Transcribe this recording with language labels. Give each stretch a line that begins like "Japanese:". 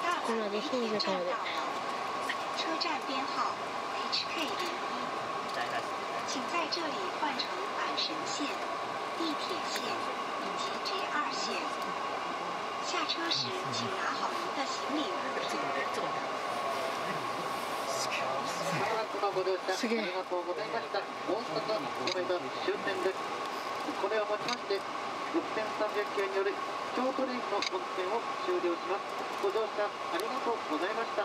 Chinese: 本列车站到了，车站编号 HK01， 请在这里换乘阪神线、地铁线以及 JR 线。下车时请拿好您的行李物品。
Japanese: すげえ。ありがとうございました。大阪梅田終点です。これをもちまして6300円による京都電車の運転を終了します。ご乗車ありがとうございました。